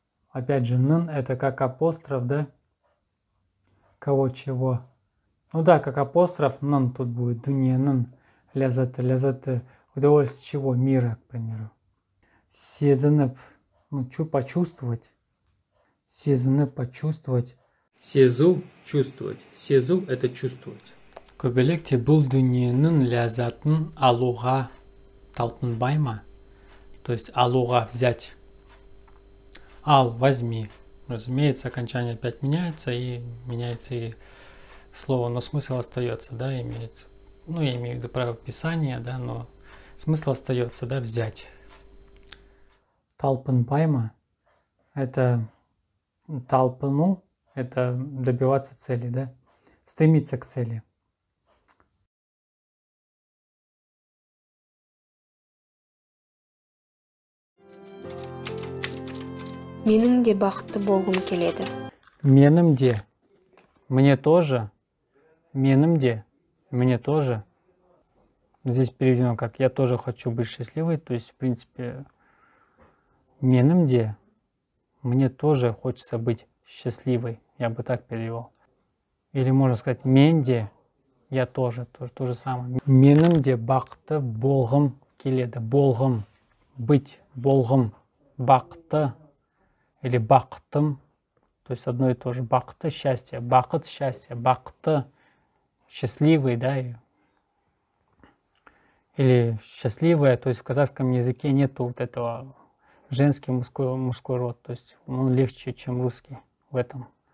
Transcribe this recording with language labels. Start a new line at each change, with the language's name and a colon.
Russian: Опять же, нын – это как апостроф, да? Кого-чего. Ну да, как апостроф, нын тут будет, дүниенің. Лязаты, лязаты. Удовольствие чего? Мира, к примеру. Сезынып. Ну, что почувствовать? Сезынып почувствовать. Сезу – чувствовать. Сезу – это чувствовать.
Kazakh: Көбелекте бұл дүниенің лязатын алуға талпынбай ма?
Russian: То есть, алуға взять. Ал, возьми. Разумеется, окончание опять меняется, и меняется и слово, но смысл остается, да, имеется. Ну, я имею в виду правописание, да, но смысл остается, да, взять. Талпынбайма – это талпыну, это добиваться цели, да, стремиться к цели.
Kazakh: Менімде бақытты болғым келеді.
Russian: Менімде – мне тоже. Менімде – мне тоже. Здесь переведено как «я тоже хочу быть счастливой», то есть, в принципе, «менымде» – «мне тоже хочется быть счастливой», я бы так перевел. Или можно сказать «менде» – «я тоже», то же самое.
Kazakh: «Менымде бақты болғым келеді»
Russian: – «болғым» – «быть», «болғым» – «бақты» или «бақтым», то есть одно и то же. «Бақты» – «счастье», «бақыт» – «счастье», «бақты» – «счастливый», да, и… Или счастливая, то есть в казахском языке нету вот этого женский мужской род, то есть он легче, чем русский в этом.